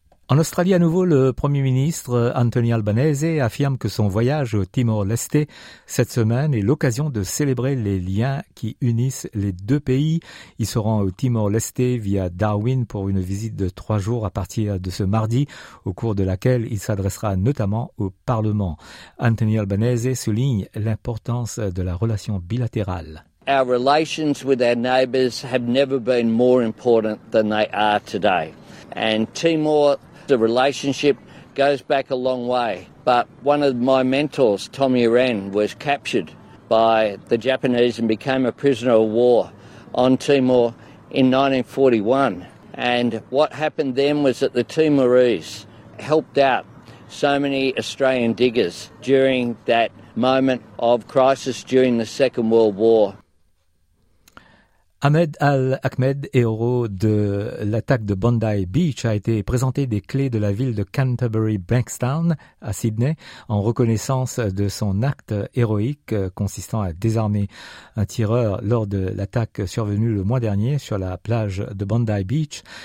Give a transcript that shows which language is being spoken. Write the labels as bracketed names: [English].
[French] En Australie, à nouveau, le Premier ministre Anthony Albanese affirme que son voyage au Timor-Leste cette semaine est l'occasion de célébrer les liens qui unissent les deux pays. Il se rend au Timor-Leste via Darwin pour une visite de 3 jours à partir de ce mardi, au cours de laquelle il s'adressera notamment au Parlement. Anthony Albanese souligne l'importance de la relation bilatérale. [English] Our relations with our neighbours have never been more important than they are today. And Timor The relationship goes back a long way. But one of my mentors, Tommy Wren, was captured by the Japanese and became a prisoner of war on Timor in 1941. And what happened then was that the Timorese helped out so many Australian diggers during that moment of crisis during the Second World War. [French] Ahmed Al-Ahmed, héros de l'attaque de Bondi Beach, a été présenté des clés de la ville de Canterbury Bankstown à Sydney en reconnaissance de son acte héroïque consistant à désarmer un tireur lors de l'attaque survenue le mois dernier sur la plage de Bondi Beach.